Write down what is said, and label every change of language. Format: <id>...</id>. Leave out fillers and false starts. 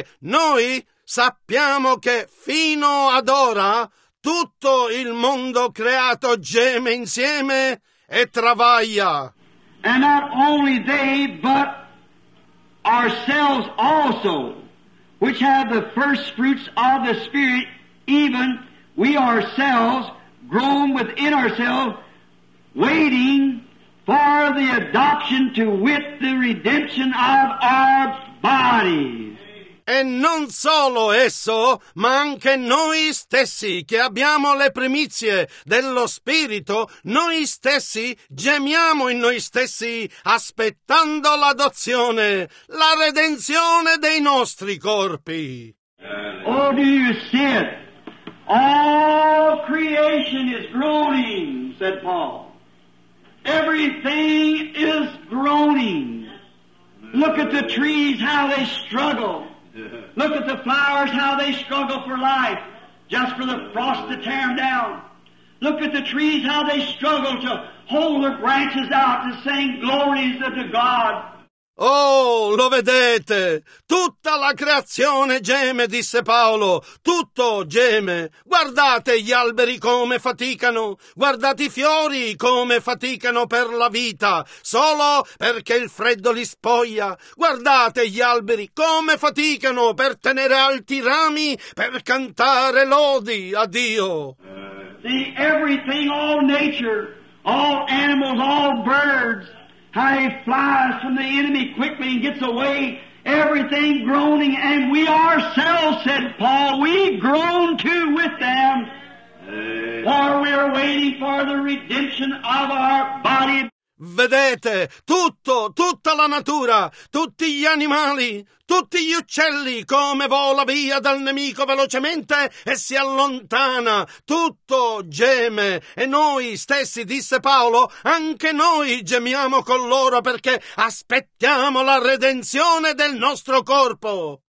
<it>Noi sappiamo che fino ad ora tutto il mondo creato geme insieme e travaglia.</it> <en>And not only they, but ourselves also, which have the first fruits of the Spirit, even we ourselves groan within ourselves, waiting for the adoption, to wit, the redemption of our bodies.</en> <it>E non solo esso, ma anche noi stessi che abbiamo le primizie dello Spirito, noi stessi gemiamo in noi stessi aspettando l'adozione, la redenzione dei nostri corpi.</it> <en>Oh, do you see it? All creation is groaning, said Paul. Everything is groaning. Look at the trees, how they struggle. Look at the flowers, how they struggle for life, just for the frost to tear them down. Look at the trees, how they struggle to hold their branches out to sing glories unto God.</en> <it>Oh, lo vedete? Tutta la creazione geme, disse Paolo. Tutto geme. Guardate gli alberi come faticano. Guardate i fiori come faticano per la vita, solo perché il freddo li spoglia. Guardate gli alberi come faticano per tenere alti i rami, per cantare lodi a Dio.</it> <en>See, everything, all nature, all animals, all birds, how he flies from the enemy quickly and gets away, everything groaning, and we ourselves, said Paul, we groan too with them, for we are waiting for the redemption of our body.</en> <it>Vedete, tutto, tutta la natura, tutti gli animali, tutti gli uccelli, come vola via dal nemico velocemente e si allontana, tutto geme. E noi stessi, disse Paolo, anche noi gemiamo con loro perché aspettiamo la redenzione del nostro corpo.</it>